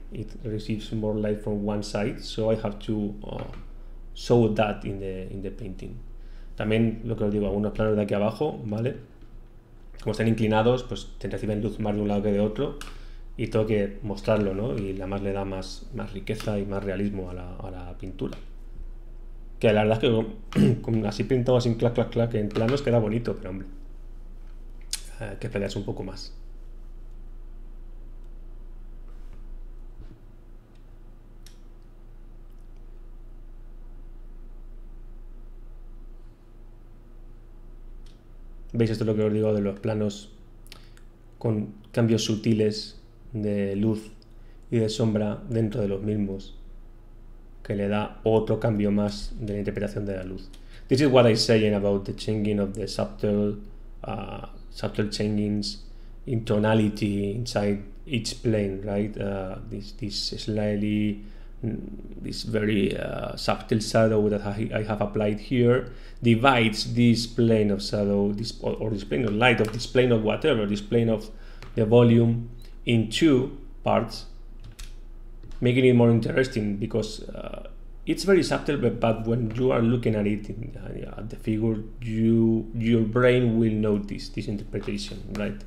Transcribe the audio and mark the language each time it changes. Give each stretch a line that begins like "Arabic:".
English: It receives more light from one side, so I have to show that in the painting.
Spanish: También lo que os digo, algunos planos de aquí abajo, ¿vale? Como están inclinados, pues te reciben luz más de un lado que de otro, y tengo que mostrarlo, ¿no? Y además le da más riqueza y más realismo a la pintura. Que la verdad es que con así pintado así clac clac clac en planos queda bonito, pero hombre, que peleas un poco más. ¿Veis esto lo que os digo de los planos con cambios sutiles de luz y de sombra dentro de los mismos, que le da otro cambio más de la interpretación de la luz?
English: This is what I say about the changing of the subtle changings in tonality inside each plane, right? This slightly, this very subtle shadow that I have applied here divides this plane of shadow, this or this plane of light, of this plane of whatever, this plane of the volume in two parts, making it more interesting because it's very subtle, but when you are looking at it at the figure, your brain will notice this interpretation, right?